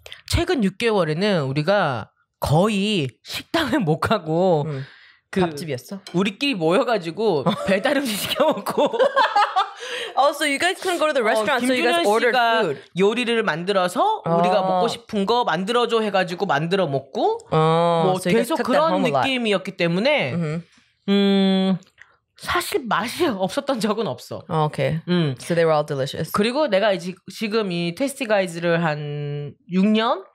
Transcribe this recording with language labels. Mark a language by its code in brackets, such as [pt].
[ko] 최근 6개월에는 우리가 거의 식당을 못 가고 그 밥집이었어? 우리끼리 모여가지고 배달 음식 시켜먹고. [en] Oh, so you guys couldn't go to the restaurant, so you guys ordered food. [ko] 김준현 씨가 요리를 만들어서 우리가 먹고 싶은 거 만들어줘 해가지고 만들어 먹고 뭐 so 계속 그런 느낌이었기 때문에 사실 맛이 없었던 적은 없어. [en] Oh, okay. So they were all delicious. [ko] 그리고 내가 지금 이 Tasty Guys를 한 6년?